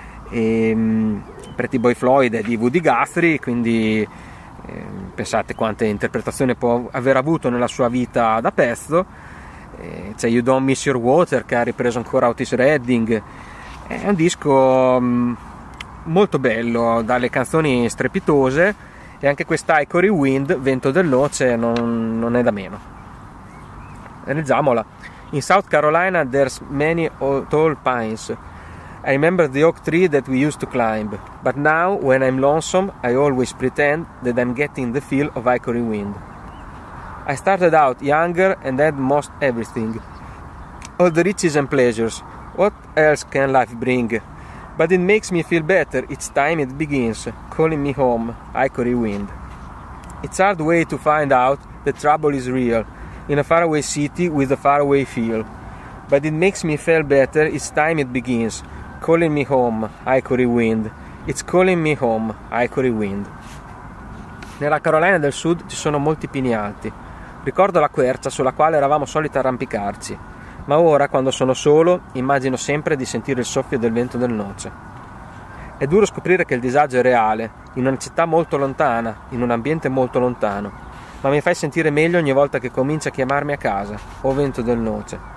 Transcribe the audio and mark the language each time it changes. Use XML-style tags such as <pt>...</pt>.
<it>E Pretty Boy Floyd è di Woody Guthrie, quindi pensate quante interpretazioni può aver avuto nella sua vita da pezzo. C'è You Don't Miss Your Water, che ha ripreso ancora Otis Redding. È un disco molto bello, dalle canzoni strepitose, e anche questa Hickory Wind, Vento dell'Oce, non è da meno. Leggiamola.</it> <en>"In South Carolina there's many tall pines. I remember the oak tree that we used to climb, but now, when I'm lonesome, I always pretend that I'm getting the feel of Hickory Wind. I started out younger and had most everything, all the riches and pleasures. What else can life bring? But it makes me feel better each time it begins, calling me home, Hickory Wind. It's a hard way to find out that trouble is real, in a faraway city with a faraway feel. But it makes me feel better each time it begins, calling me home, Hickory Wind. It's calling me home, Hickory Wind."</en> <it>Nella Carolina del Sud ci sono molti pini alti. Ricordo la quercia sulla quale eravamo soliti arrampicarci, ma ora, quando sono solo, immagino sempre di sentire il soffio del vento del noce. È duro scoprire che il disagio è reale, in una città molto lontana, in un ambiente molto lontano, ma mi fai sentire meglio ogni volta che comincia a chiamarmi a casa, o vento del noce.</it>